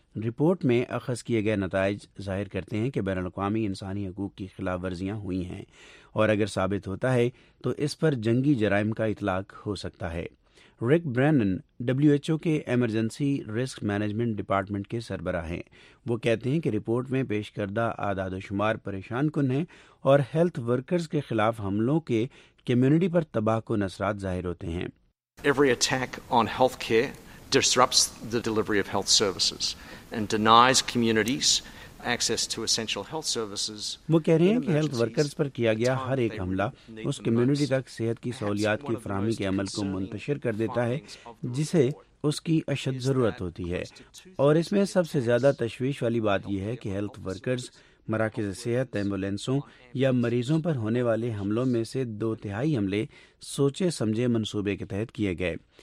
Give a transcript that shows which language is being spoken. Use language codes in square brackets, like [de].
[ur] Report میں اخذ کیے گئے نتائج ظاہر کرتے ہیں کہ بین الاقوامی انسانی حقوق کی خلاف ورزیاں ہوئی ہیں, اور اگر ثابت ہوتا ہے تو اس پر جنگی جرائم کا اطلاق ہو سکتا ہے. رک برینن ڈبلیو ایچ او کے ایمرجنسی رسک مینجمنٹ ڈپارٹمنٹ کے سربراہ ہیں. وہ کہتے ہیں کہ رپورٹ میں پیش کردہ اعداد و شمار پریشان کن ہیں, اور ہیلتھ ورکرز کے خلاف حملوں کے کمیونٹی پر تباہ کن اثرات ظاہر ہوتے ہیں. [en] Every attack on healthcare disrupts the delivery of health services and denies communities access to essential health services. [ur] وہ کہہ رہے ہیں کہ ہیلتھ ورکرز پر کیا گیا ہر ایک حملہ اس کمیونٹی تک صحت کی سہولیات کی فراہمی کے عمل کو منتشر کر دیتا ہے جسے اس کی اشد ضرورت ہوتی ہے, اور اس میں سب سے زیادہ تشویش والی بات یہ ہے کہ ہیلتھ ورکرز مراکز صحت, ایمبولینسوں یا مریضوں پر ہونے والے حملوں میں سے 2/3 حملے سوچے سمجھے منصوبے کے تحت کیے گئے.